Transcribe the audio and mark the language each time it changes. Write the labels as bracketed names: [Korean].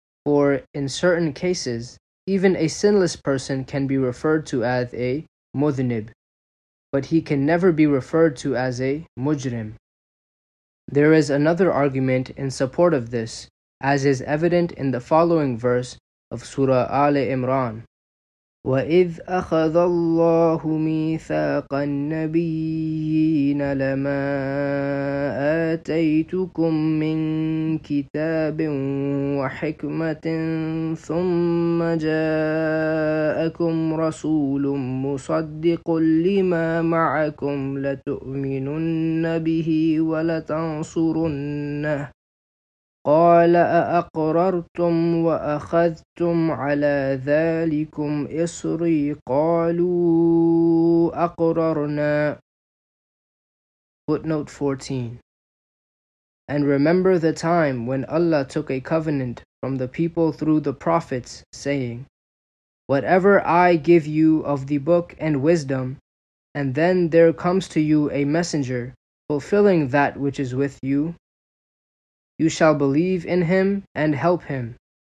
[English] For in certain cases, even a sinless person can be referred to as a mudhnib, but he can never be referred to as a mujrim. There is another argument in support of this, as is evident in the following verse of Surah Ali Imran. [Arabic] وَإِذْ أَخَذَ اللَّهُ مِيثَاقَ النَّبِيِّينَ لَمَا آتَيْتُكُم مِّن كِتَابٍ وَحِكْمَةٍ ثُمَّ جَاءَكُمْ رَسُولٌ مُصَدِّقٌ لِمَا مَعَكُمْ لَتُؤْمِنُنَّ بِهِ وَلَتَنْصُرُنَّهِ قال أأقررتم وأخذتم على ذلكم إصري قالوا أقررنا. [English] Footnote 14. And remember the time when Allah took a covenant from the people through the prophets, saying, Whatever I give you of the book and wisdom, and then there comes to you a messenger, fulfilling that which is with you, you shall believe in him and help him.